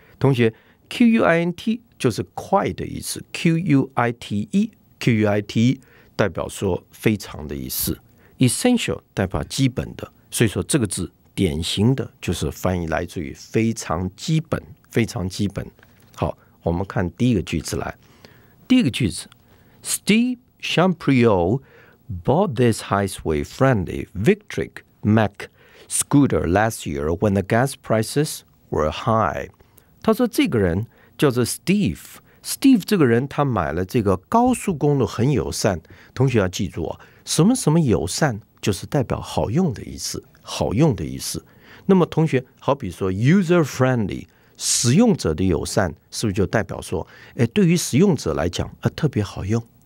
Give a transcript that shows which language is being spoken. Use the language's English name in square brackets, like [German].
[Chinese] 同学 quint 就是快的意思， quite quite 代表说非常的意思， essential 代表基本的。所以说这个字典型的就是翻译来自于非常基本，非常基本。好，我们看第一个句子来。 [English] 第一个句子， Steve Shapiro bought this highway friendly Vectrix Maxi Scooter last year when the gas prices were high。 [Chinese] 他说这个人叫做 Steve 这个人他买了这个高速公路很友善。同学要记住，什么什么友善就是代表好用的意思，好用的意思。那么同学好比说 user friendly， 使用者的友善，是不是就代表说，哎，对于使用者来讲，特别好用。